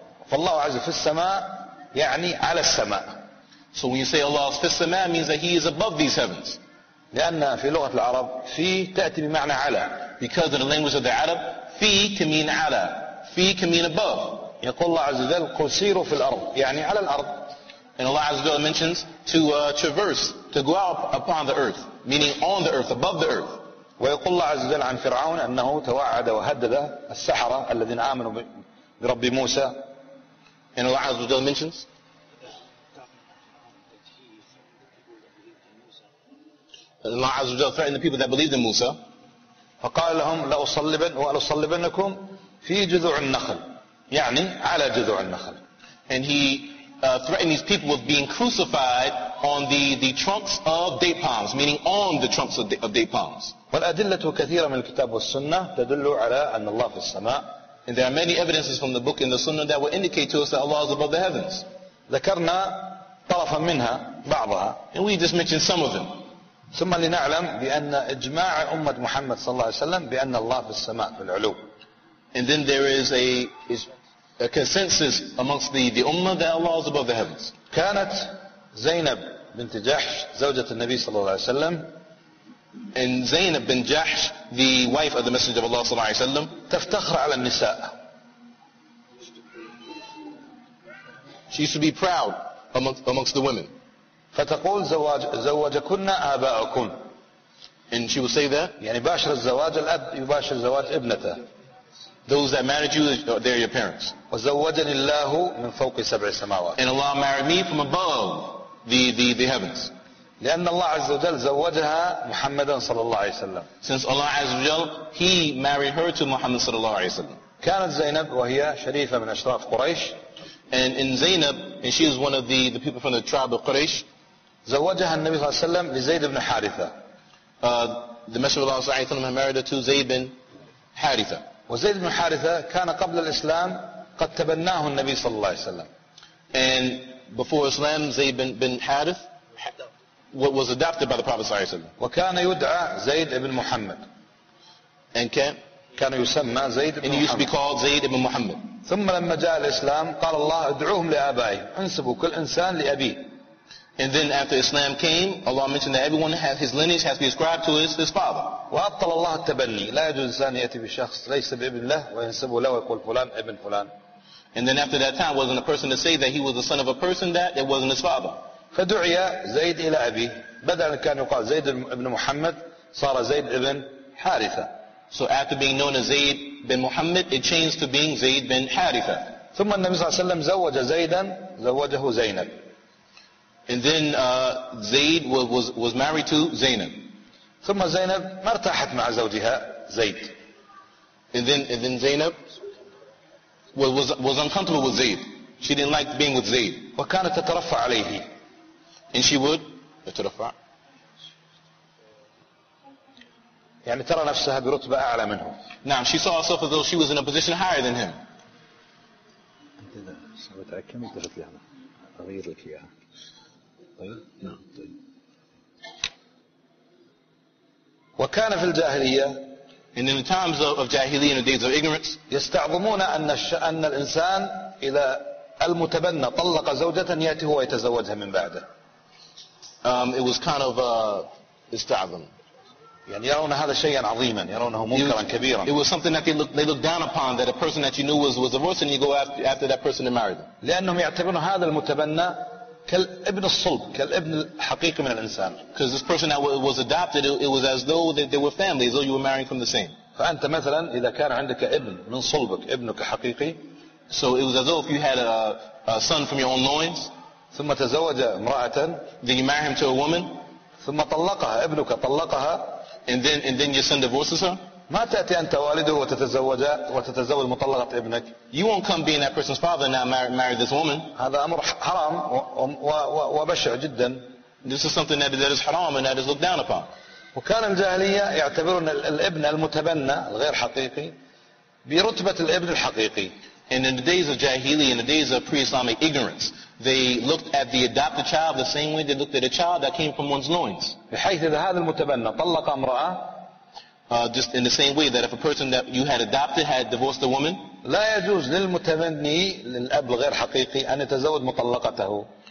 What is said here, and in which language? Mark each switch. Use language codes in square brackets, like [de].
[ar] فالله عز في السماء يعني على السماء [en] so when you say Allah is [ar] في السماء [en] means that He is above these heavens [ar] لأن في لغة العرب في تأتي بمعنى على [en] because in the language of the Arab في can mean على في can mean above [ar] يقول الله عز وجل قل سيروا في الأرض يعني على الأرض [en] and Allah [ar] عز وجل [en] mentions to traverse to go out upon the earth meaning on the earth above the earth [ar] ويقول الله عز وجل عن فرعون أنه توعد وهدد السحرة الذين آمنوا برب موسى [en] and Allah [ar] عز وجل [en] mentions Allah عز وجل threatened the people that believed in Musa [ar] فقال لهم لأصلبنكم في جذوع النخل يعني على جذوع النخل [en] and he threatened these people with being crucified on the trunks of date palms meaning on the trunks of date palms [ar] والأدلة كثيرة من الكتاب والسنة تدل على أن الله في السماء [en] and there are many evidences from the book and the sunnah that will indicate to us that Allah is above the heavens [ar] ذكرنا طرفا منها بعضها [en] and we just mentioned some of them [ar] ثم لنعلم بأن إجماع أمة محمد صلى الله عليه وسلم بأن الله في السماء في العلو. [en] And then there is a consensus amongst the Ummah that Allah is above the heavens. [ar] كانت زينب بنت جحش زوجة النبي صلى الله عليه وسلم. [en] And Zainab bin Jahsh, the wife of the Messenger of Allah [ar] صلى الله عليه وسلم. تفتخر على النساء. [en] She used to be proud amongst the women. [ar] فتقول زوجكن آباءكن [en] and she will say that [ar] يعني باشر الزواج الأب يباشر زواج ابنته [en] those that married you they're your parents [ar] وزوجني الله من فوق سبع سماوات [en] and Allah married me from above the heavens [ar] لأن الله عز وجل زوجها محمدا صلى الله عليه وسلم [en] since Allah [ar] عز وجل [en] he married her to Muhammad [ar] صلى الله عليه وسلم كانت زينب وهي شريفة من أشراف قريش [en] and she is one of the people from the tribe of Quraysh [ar] زوجها النبي صلى الله عليه وسلم لزيد بن حارثة. [en] The Messenger of Allah [ar] صلى الله عليه وسلم [en] married her to Zayd bin Haritha. [ar] وزيد بن حارثة كان قبل الإسلام قد تبناه النبي صلى الله عليه وسلم. [en] And before Islam, Zayd bin Harith was adopted by the Prophet [ar] صلى الله عليه وسلم. وكان يدعى زيد بن محمد. [en] And كان [ar] يسمى زيد بن محمد. [en] And he used to be called Zayd bin Muhammad. [ar] ثم لما جاء الإسلام قال الله ادعوهم لآبائهم انسبوا كل إنسان لأبيه. [en] And then after Islam came, Allah mentioned that everyone has his lineage has to be ascribed to his father. [ar] وأبطل الله التبني لا يجوز إنسان يأتي بشخص ليس بابن له وينسبه له ويقول فلان ابن فلان. [en] And then after that time, wasn't a person to say that he was the son of a person that it wasn't his father. [ar] فدعي زيد إلى أبيه بدل أن كان يقال زيد ابن محمد صار زيد ابن حارثة. [en] So after being known as Zayd bin Muhammad, it changed to being Zayd bin Haritha. [ar] ثم النبي صلى الله عليه وسلم زوج زيدا زوجه زينب. [en] And then Zayd was married to Zainab. [ar] ثم زينب ما ارتاحت مع زوجها زيد. [en] And then Zainab was uncomfortable with Zayd. She didn't like being with Zayd. [ar] وكانت تترفع عليه. [en] And she would تترفع. [ar] يعني ترى نفسها برتبة أعلى منه. نعم. [en] She saw herself as though she was in a position higher than him. [ar] أنت لا سويت على كم دخلت لها؟ أغير لك إياها. وكان في الجاهلية [en] and in the times of jahiliya and the days of ignorance [ar] يستعظمون أن الإنسان إذا المتبنى طلق زوجة يأتي هو يتزوجها من بعده [en] it was kind of استعظم [ar] يعني يرون هذا شيئا عظيما يرونه منكرا كبيرا [en] it was something that they looked down upon that a person that you knew was divorced and you go after that person and marry them [ar] لأنهم يعتبرون هذا المتبنى كالابن الصلب كالابن الحقيقي من الإنسان [en] because this person that was adopted it was as though they were family as though you were marrying from the same [ar] فأنت مثلا إذا كان عندك ابن من صلبك ابنك حقيقي [en] so it was as though if you had a son from your own loins [ar] ثم تزوج امرأة [en] then you marry him to a woman [ar] ثم طلقها ابنك طلقها [en] And then your son divorces her. [ar] ما تأتي أنت والده وتتزوج مطلقة ابنك. [en] You won't come being that person's father and now marry this woman. [ar] هذا أمر حرام وبشع جدا. [en] This is something that is haram and that is looked down upon. [ar] وكان الجاهلية يعتبرون الابن المتبنى الغير حقيقي برتبة الابن الحقيقي. [en] And in the days of Jahili, in the days of pre-Islamic ignorance, they looked at the adopted child the same way they looked at a child that came from one's loins. [ar] بحيث إذا هذا المتبنى طلق امرأة. [en] Just in the same way that if a person that you had adopted had divorced a woman, [ar] لا يجوز للمتبني للأب الغير حقيقي أن يتزوج مطلقته.